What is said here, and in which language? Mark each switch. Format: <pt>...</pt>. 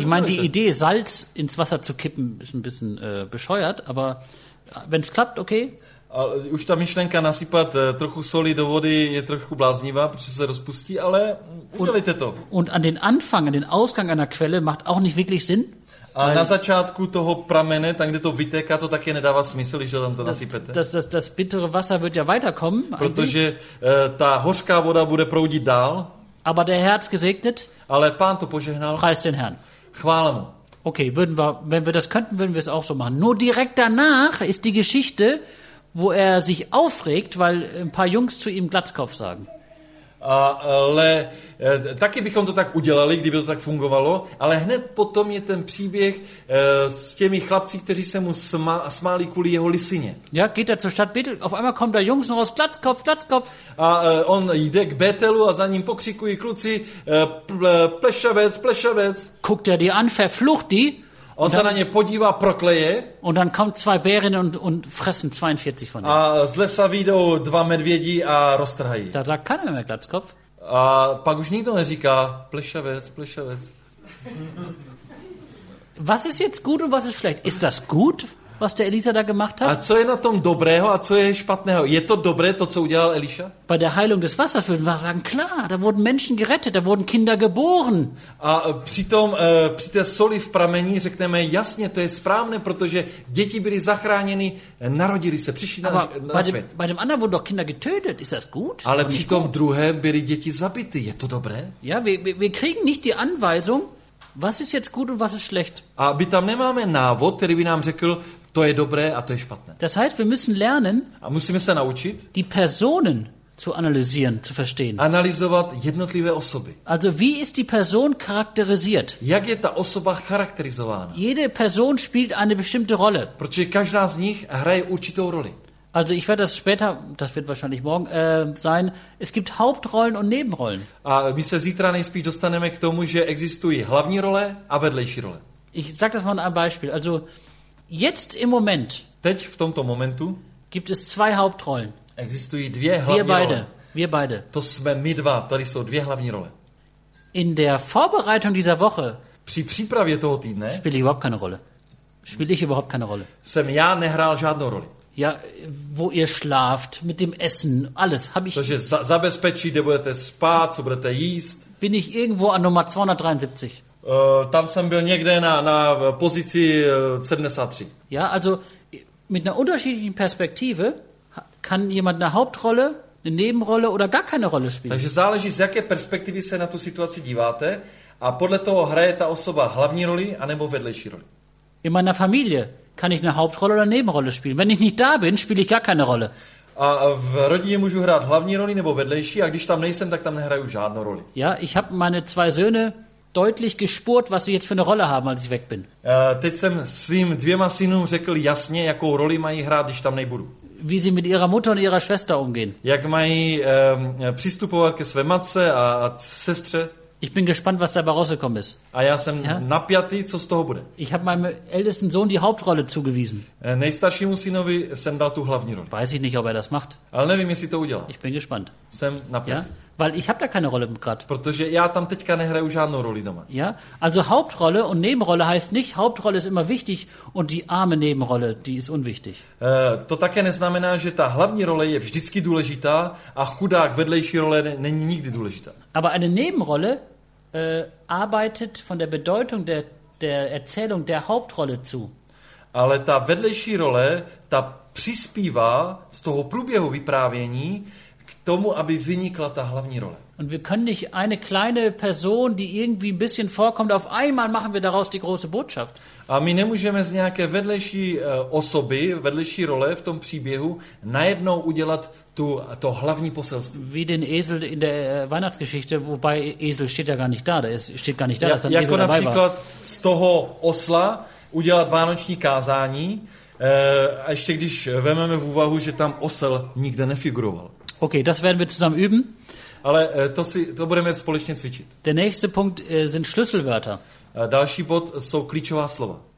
<de>Ich meine, die Idee, Salz ins Wasser zu kippen, ist ein bisschen bescheuert, aber wenn es klappt, okay.</de> <cs>Už ta myšlenka nasypat trochu soli do vody je trochu bláznivá, protože se rozpustí, ale udělejte to.</cs> <de>Und an den Anfang, an den Ausgang einer Quelle macht auch nicht wirklich Sinn.</de> <cs>A na začátku toho pramene, tam kde to vytéká, to taky nedává smysl, že tam to nasypete.</cs> <de>Das bittere Wasser wird ja weiterkommen.</de> <cs>Protože ta hořká voda bude proudit dál.</cs> <de>Aber der Herr hat gesegnet.</de> <cs>Ale Pán to požehnal.</cs> <de>Preis den Herrn.</de> <cs>Chvál mu.</cs> <de>Okay, wenn wir das könnten, würden wir es auch so machen. Nur direkt danach ist die Geschichte, wo er sich aufregt, weil ein paar Jungs zu ihm Glatzkopf sagen.</de> <cs>Ale taky bychom to tak udělali, kdyby to tak fungovalo, ale hned potom je ten příběh s těmi chlapci, kteří se mu smáli kvůli jeho lisině.</cs> <de>Ja, geht er zur Stadt Bethel, auf einmal kommt der Jungs raus, Glatzkopf, Glatzkopf.</de> <cs>A on jde k Bethelu a za ním pokřikují kluci, plešavec, plešavec.</cs> <de>Guckt er die an, verflucht die.</de> <cs>On se na ně podívá, prokleje.</cs> <de>Und dann kommt zwei Bären und fressen 42 von ihnen.</de> <cs>A z lesa vyjdou dva medvědi a roztrhají.</cs> <de>Da sagt keiner mehr Glatzkopf.</de> <cs>A pak už nikdo neříká plešavec, plešavec.</cs> <de>Was ist jetzt gut und was ist schlecht? Ist das gut, was der Elisa da gemacht hat?</de> <cs>A co je na tom dobrého a co je špatného? Je to dobré to, co udělal Eliša?</cs> <de>Bei der Heilung des Wassers würden wir sagen, klar, da wurden Menschen gerettet, da wurden Kinder geboren.</de> <cs>A přitom při té soli v pramení řekneme, jasně, to je správné, protože děti byly zachráněny, narodili se, přišli na svět.</cs> <de>Bei dem anderen wurden doch Kinder getötet, ist das gut?</de> <cs>Ale při tom druhém byly děti zabity, je to dobré?</cs> <de>Ja, wir kriegen nicht die Anweisung, was ist jetzt gut und was ist schlecht.</de> <cs>A my tam nemáme návod, který by nám řekl, to je dobré a to je špatné.</cs> <de>Das heißt, wir müssen lernen,</de> <cs>a musíme se naučit,</cs> <de>die Personen zu analysieren, zu verstehen.</de> <cs>Analyzovat jednotlivé osoby.</cs> <de>Also, wie ist die Person charakterisiert?</de> <cs>Jak je ta osoba charakterizována?</cs> <de>Jede Person spielt eine bestimmte Rolle.</de> <cs>Protože každá z nich hraje určitou roli.</cs> <de>Also, ich werde das später, das wird wahrscheinlich morgen sein, es gibt Hauptrollen und Nebenrollen.</de> <cs>A my se zítra nejspíš dostaneme k tomu, že existují hlavní role a vedlejší role.</cs> <de>Ich sag das mal ein Beispiel, also jetzt im Moment.</de> <cs>Teď v tomto momentu</cs> <de>gibt es zwei Hauptrollen.</de> <cs>Existují dvě hlavní role.</cs> <de>Wir beide.</de> <cs>To jsme my dva, tady jsou dvě hlavní role.</cs> <de>In der Vorbereitung dieser Woche.</de> <cs>Při přípravě toho týdne.</cs> <de>Spiele ich überhaupt keine Rolle.</de> <cs>Jsem já nehrál žádnou roli.</cs> <de>Ja, wo ihr schlaft, mit dem Essen, alles habe ich.</de> <cs>Takže zabezpečí, kde budete spát, co budete jíst.</cs> <de>Bin ich irgendwo an Nummer 273.</de> <cs>Tam jsem byl někde na pozici 73.</cs> <de>Ja, also mit einer unterschiedlichen Perspektive kann jemand eine Hauptrolle, eine Nebenrolle oder gar keine Rolle spielen.</de> <cs>Takže záleží, z jaké perspektivy se na tu situaci díváte a podle toho hraje ta osoba hlavní roli anebo vedlejší roli.</cs> <de>In meiner Familie kann ich eine Hauptrolle oder Nebenrolle spielen. Wenn ich nicht da bin, spiele ich gar keine Rolle.</de> <cs>A v rodině můžu hrát hlavní roli nebo vedlejší, a když tam nejsem, tak tam nehraju žádnou roli.</cs> <de>Ja, ich habe meine zwei Söhne deutlich gespurt, was sie jetzt für eine Rolle haben, als ich weg bin.</de> <cs>Teď jsem svým dvěma synům řekl jasně, jakou roli mají hrát, když tam nebudu.</cs> <de>Wie sie mit ihrer Mutter und ihrer Schwester umgehen.</de> <cs>Jak mají přistupovat ke své matce a sestře.</cs> <de>Ich bin gespannt, was dabei rausgekommen ist.</de> <cs>A já jsem napjatý, co z toho bude.</cs> <de>Ich habe meinem ältesten Sohn die Hauptrolle zugewiesen.</de> <cs>Nejstaršímu synovi jsem dal tu hlavní roli.</cs> <de>Weiß ich nicht, ob er das macht.</de> <cs>Ale nevím, jestli to udělá.</cs> <de>Ich bin gespannt.</de> <cs>Jsem napjatý.</cs> <de>Ja? Weil ich habe da keine Rolle gerade.</de> <cs>Protože já tam teďka nehraju žádnou roli doma.</cs> <de>Ja? Also Hauptrolle und Nebenrolle heißt nicht, Hauptrolle ist immer wichtig und die arme Nebenrolle, die ist unwichtig.</de> <cs>To také neznamená, že ta hlavní role je vždycky důležitá a chudák vedlejší role není nikdy důležitá.</cs> <de>Aber eine Nebenrolle arbeitet von der Bedeutung der Erzählung der Hauptrolle zu.</de> <cs>Ale ta vedlejší role, ta přispívá z toho průběhu vyprávění k tomu, aby vynikla ta hlavní role.</cs> <de>Und wir können nicht eine kleine Person, die irgendwie ein bisschen vorkommt, auf einmal machen wir daraus die große Botschaft.</de> <cs>A my nemůžeme z nějaké vedlejší osoby, vedlejší role v tom příběhu najednou udělat to hlavní poselství.</cs> <de>Wie den Esel in der Weihnachtsgeschichte, wobei Esel steht ja gar nicht da, ist ein Esel dabei.</de> <cs>Jako například z toho osla udělat vánoční kázání, a ještě když vememe v úvahu, že tam osel nikde nefiguroval.</cs> <de>Okay, das werden wir zusammen üben.</de> <cs>Ale to budeme společně cvičit.</cs> <de>Der nächste Punkt sind Schlüsselwörter.</de> <cs>Další bod jsou klíčová slova.</cs>